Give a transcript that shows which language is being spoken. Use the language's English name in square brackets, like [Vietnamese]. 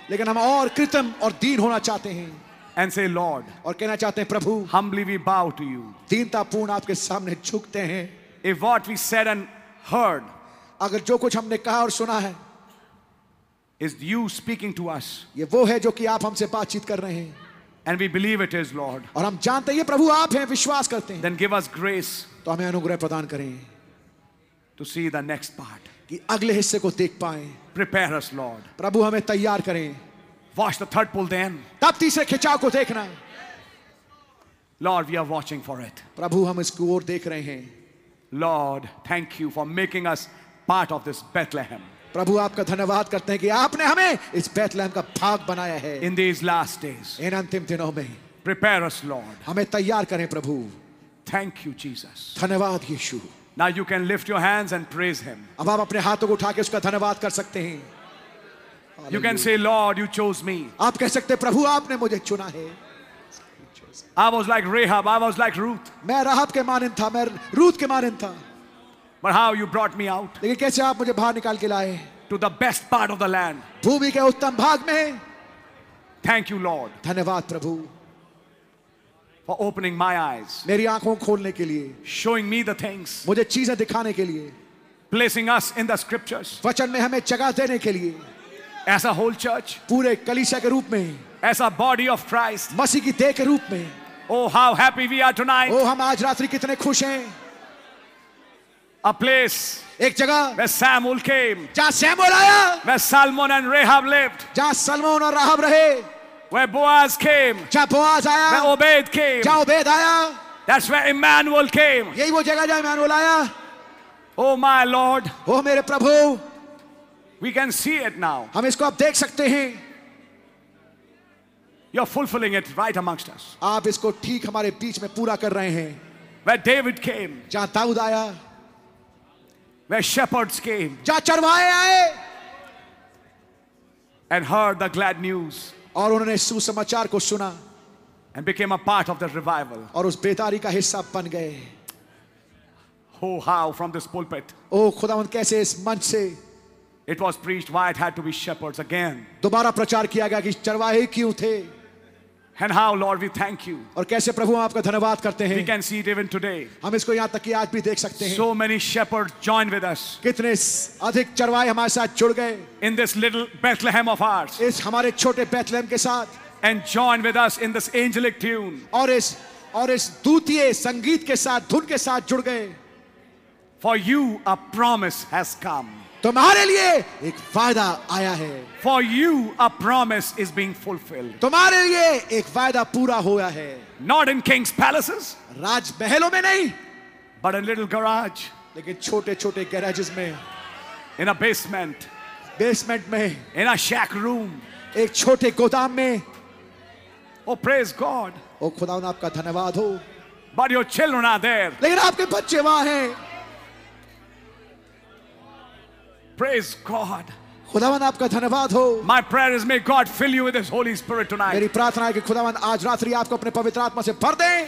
[Hindi] लेकिन हम और कृतम और दीन होना चाहते हैं. [English] And say, Lord, [Hindi] और कहना चाहते हैं प्रभु, [English] humbly we bow to you. [Hindi] दीनतापूर्ण आपके सामने झुकते हैं. [English] If what we said and heard, [Hindi] अगर जो कुछ हमने कहा और सुना है, [English] is you speaking to us, [Hindi] ये वो है जो कि आप हमसे बातचीत कर रहे हैं. [English] And we believe it is, Lord. [Hindi] और हम जानते हैं प्रभु आप हैं, विश्वास करते हैं. [English] Then give us grace. [Hindi] तो हमें अनुग्रह प्रदान करें. [English] To see the next part. [Hindi] कि अगले हिस्से को देख पाए. [English] Prepare us, Lord. [Hindi] प्रभु हमें तैयार करें. [English] Watch the third pull then. [Hindi] तब तीसरे खिंचाव को देखना. [English] Lord, we are watching for it. [Hindi] प्रभु हम इसको और देख रहे हैं. [English] Lord, thank you for making us part of this Bethlehem. [Hindi] प्रभु आपका धन्यवाद करते हैं कि आपने हमें इस बैतलहम का भाग बनाया है. [English] In these last days, [Hindi] इन अंतिम दिनों में, [English] prepare us, Lord. [Hindi] हमें तैयार करें प्रभु. [English] Thank you, Jesus. [Hindi] धन्यवाद यीशु. [English] Now you can lift your hands and praise Him. [Hindi] अब आप अपने हाथों को उठाकर उसका धन्यवाद कर सकते हैं. [English] You can say, Lord, you chose me. [Hindi] आप कह सकते हैं प्रभु आपने मुझे चुना है. [English] I was like Rahab. I was like Ruth. [Hindi] मैं राहब के मानिंद था, मैं रूथ के मानिंद था. [English] But how you brought me out? [Hindi] लेकिन कैसे आप मुझे बाहर निकाल के लाए? [English] To the best part of the land. [Hindi] भूमि के उत्तम भाग में. [English] Thank you, Lord. [Hindi] धन्यवाद प्रभु. [English] For opening my eyes. [Hindi] मेरी आँखों खोलने के लिए. [English] Showing me the things. [Hindi] मुझे चीजें दिखाने के लिए. [English] Placing us in the scriptures. [Hindi] वचन में हमें जगह देने के लिए. [English] As a whole church. [Hindi] पूरे कलीसिया के रूप में. [English] As a body of Christ. [Hindi] मसीह की देह के रूप में. [English] Oh, how happy we are tonight. [Hindi] Oh, हम आज रात्रि कितने खुश हैं. [English] A place, [Hindi] एक जगह, [English] where Samuel came, [Hindi] जहाँ सैमुअल आया, [English] where Salmon and Rahab lived, [Hindi] जहाँ सलमोन और राहब रहे, [English] where Boaz came, [Hindi] जहाँ बोआज आया, [English] where Obed came, [Hindi] जहाँ ओबेद आया, [English] that's where Emmanuel came, [Hindi] यही वो जगह जहाँ इमानुएल आया. [English] Oh my Lord, [Hindi] oh मेरे प्रभु, [English] we can see it now, [Hindi] हम इसको अब देख सकते हैं. [English] You're fulfilling it right amongst us, [Hindi] आप इसको ठीक हमारे बीच में पूरा कर रहे हैं. [English] Where David came, [Hindi] जहाँ दाऊद आया. [English] Where shepherds came, [Hindi] जहाँ चरवाहे आए, [English] and heard the glad news, [Hindi] और उन्होंने सुसमाचार को सुना, [English] and became a part of the revival, [Hindi] और उस बेतारी का हिस्सा बन गए. [English] Oh, how from this pulpit, [Hindi] ओ खुदावंद कैसे इस मंच से, [English] it was preached why it had to be shepherds again, [Hindi] दोबारा प्रचार किया गया कि चरवाहे क्यों थे. [English] And how, Lord, we thank you. [Hindi] और कैसे प्रभु हम आपका धन्यवाद करते हैं. [English] We can see it even today. [Hindi] हम इसको यहाँ तक कि आज भी देख सकते हैं. [English] So many shepherds joined with us. [Hindi] कितने अधिक चरवाहे हमारे साथ जुड़ गए. [English] In this little Bethlehem of ours. [Hindi] इस हमारे छोटे बेथलहम के साथ. [English] And joined with us in this angelic tune. [Hindi] और इस दूतीय संगीत के साथ धुन के साथ जुड़ गए. [English] For you a promise has come. [Hindi] तुम्हारे लिए एक वायदा आया है. [English] For you a promise is being fulfilled. [Hindi] तुम्हारे लिए एक वायदा पूरा हुआ है. [English] Not in king's palaces. [Hindi] राजमहलों में नहीं. [English] But in little garage. [Hindi] लेकिन छोटे छोटे garages में. [English] In a basement. [Hindi] basement में. [English] In a shack room. [Hindi] एक छोटे गोदाम में. [English] Oh praise God. [Hindi] ओ खुदावन आपका धन्यवाद हो. [English] But your children are there. [Hindi] लेकिन आपके बच्चे वहां हैं. [English] Praise God. [Hindi] खुदावन आपका धन्यवाद हो. [English] My prayer is may God fill you with His Holy Spirit tonight. [Hindi] मेरी प्रार्थना है कि खुदावन आज रात्रि आपको अपने पवित्र आत्मा से भर दे.